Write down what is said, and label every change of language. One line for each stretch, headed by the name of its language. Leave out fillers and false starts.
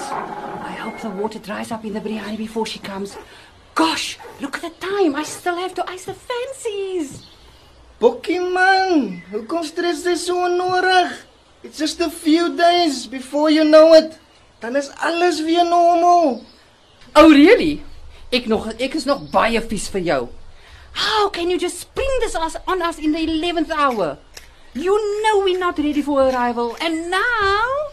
English: I hope the water dries up in the biryani before she comes. Gosh, look at the time, I still have to ice the fancies.
Afrikaans: Bokkie man, hoe kom stress dit so onnodig?
English: It's just a few days before you know it.
Afrikaans: Dan is alles weer normal.
English: Oh really?
Afrikaans: Ek is nog baie vies vir jou.
English: How can you just spring this on us in the 11th hour? You know we're not ready for arrival, and now...